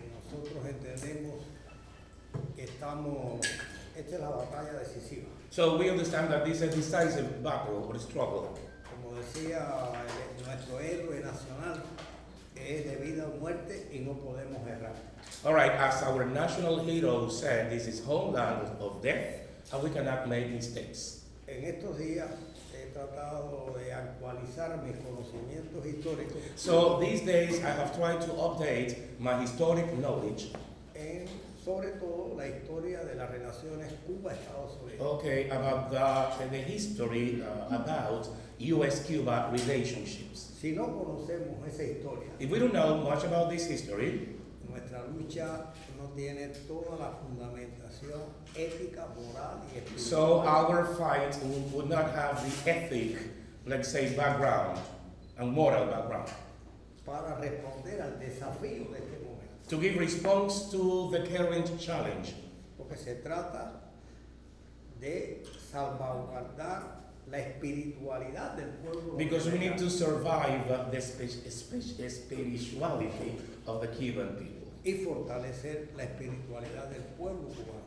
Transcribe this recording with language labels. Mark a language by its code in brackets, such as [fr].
[es] Nosotros entendemos que estamos, esta es la batalla decisiva. [en] So we understand that this is a decisive battle or struggle. [es] Como decía, nuestro héroe nacional es de vida o muerte y no podemos errar. [en] All right, as our national hero said, this is homeland of death and we cannot make mistakes. [es] En estos días he tratado de actualizar mis conocimientos históricos. [en] So these days I have tried to update my historic knowledge. [es] En sobre todo la historia de las relaciones Cuba-Estados Unidos. [en] Okay, about the history about US-Cuba relationships. [es] Si no conocemos esa historia. [en] If we don't know much about this history. [es] Nuestra lucha no tiene toda la fundamentación ética, moral y espiritual. [en] So our fight would not have the ethic, let's say, background, a moral background. [es] Para responder al desafío de este momento. [en] To give response to the current challenge. [es] Porque se trata de salvaguardar la espiritualidad del pueblo. [en] Because we need to survive the spirituality of the Cuban people. [es] Y fortalecer la espiritualidad del pueblo cubano.